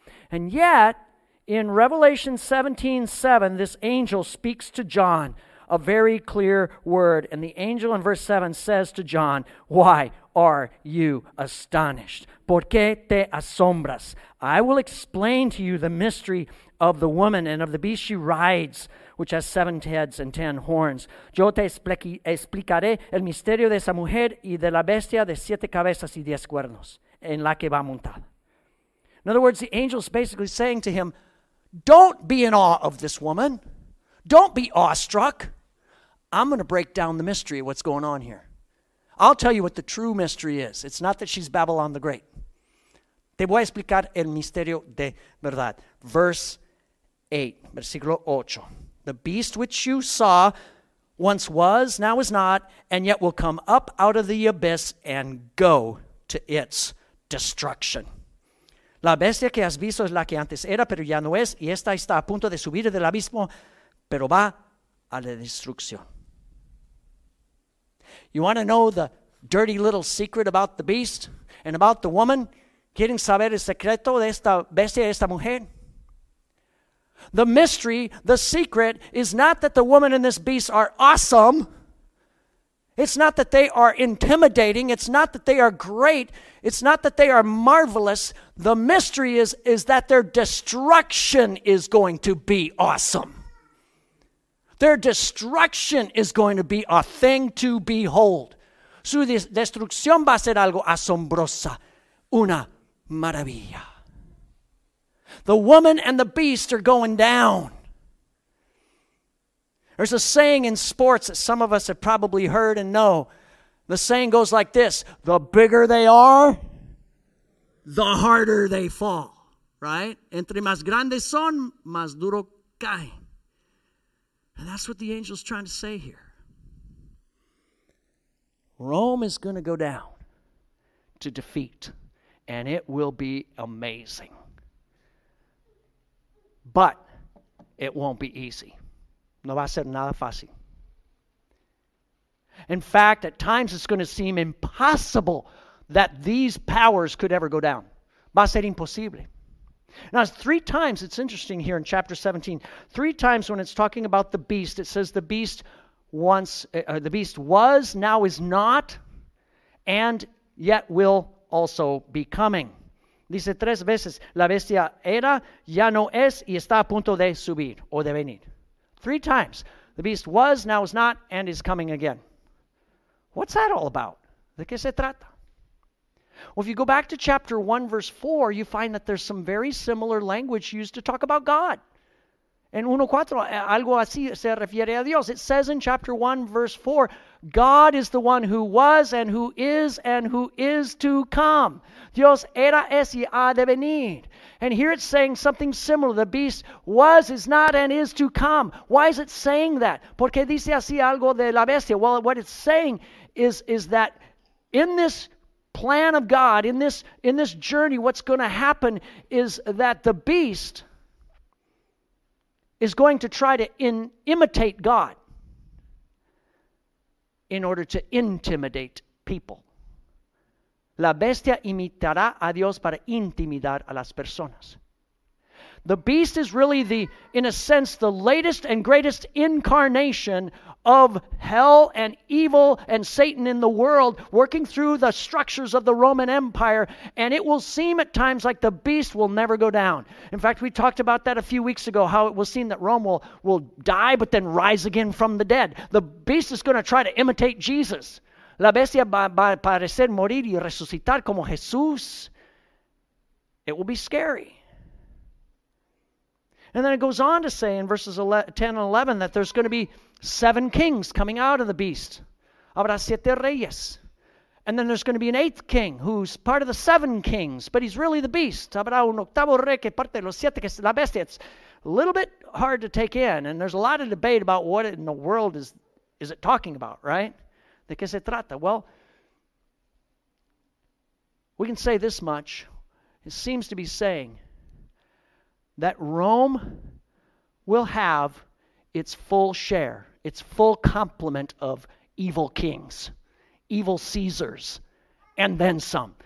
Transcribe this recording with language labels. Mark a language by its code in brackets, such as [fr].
[en] And yet, in Revelation 17:7, this angel speaks to John a very clear word. And the angel in verse 7 says to John, why are you astonished? [es] ¿Por qué te asombras? [en] I will explain to you the mystery of the woman and of the beast she rides, which has seven heads and ten horns. [es] Yo te explicaré el misterio de esa mujer y de la bestia de siete cabezas y diez cuernos en la que va montada. [en] In other words, the angel is basically saying to him, don't be in awe of this woman. Don't be awestruck. I'm going to break down the mystery of what's going on here. I'll tell you what the true mystery is. It's not that she's Babylon the Great. [es] Te voy a explicar el misterio de verdad. [en] Verse 8, [es] versículo 8. [en] The beast which you saw once was, now is not, and yet will come up out of the abyss and go to its destruction. [es] La bestia que has visto es la que antes era, pero ya no es, y esta está a punto de subir del abismo, pero va a la destrucción. [en] You want to know the dirty little secret about the beast and about the woman? [es] ¿Quieren saber el secreto de esta bestia, de esta mujer? [en] The mystery, the secret, is not that the woman and this beast are awesome. It's not that they are intimidating. It's not that they are great. It's not that they are marvelous. The mystery is that their destruction is going to be awesome. Their destruction is going to be a thing to behold. [es] Su destrucción va a ser algo asombrosa, una maravilla. [en] The woman and the beast are going down. There's a saying in sports that some of us have probably heard and know. The saying goes like this: the bigger they are, the harder they fall. Right? [es] Entre más grandes son, más duro caen. [en] And that's what the angel's trying to say here. Rome is going to go down to defeat, and it will be amazing. But it won't be easy. [es] No va a ser nada fácil. [en] In fact, at times it's going to seem impossible that these powers could ever go down. [es] va a ser imposible. [en] Now, three times, it's interesting here in chapter 17, three times when it's talking about the beast, it says the beast was, now is not, and yet will also be coming. [es] Dice tres veces, la bestia era, ya no es, y está a punto de subir, o de venir. [en] Three times, the beast was, now is not, and is coming again. What's that all about? [es] ¿De qué se trata? [en] Well, if you go back to chapter 1, verse 4, you find that there's some very similar language used to talk about God. [es] En 1:4, algo así se refiere a Dios. [en] It says in chapter 1, verse 4, God is the one who was and who is to come. [es] Dios era, es y ha de venir. [en] And here it's saying something similar. The beast was, is not, and is to come. Why is it saying that? [es] Porque dice así algo de la bestia. [en] Well, what it's saying is that in this plan of God, in this journey, what's going to happen is that the beast is going to try to imitate God in order to intimidate people. [es] La bestia imitará a Dios para intimidar a las personas. [en] The beast is really the, in a sense, the latest and greatest incarnation of hell and evil and Satan in the world, working through the structures of the Roman Empire, and it will seem at times like the beast will never go down. In fact, we talked about that a few weeks ago, how it will seem that Rome will die but then rise again from the dead. The beast is going to try to imitate Jesus. [es] La bestia va a parecer morir y resucitar como Jesús. [en] It will be scary. And then it goes on to say in verses 10 and 11 that there's going to be seven kings coming out of the beast. [es] Habrá siete reyes. [en] And then there's going to be an eighth king who's part of the seven kings, but he's really the beast. [es] Habrá un octavo rey que parte de los siete, que es la bestia. [en] It's a little bit hard to take in, and there's a lot of debate about what in the world is it talking about, right? [es] ¿De qué se trata? [en] Well, we can say this much. It seems to be saying that Rome will have its full share, its full complement of evil kings, evil Caesars, and then some.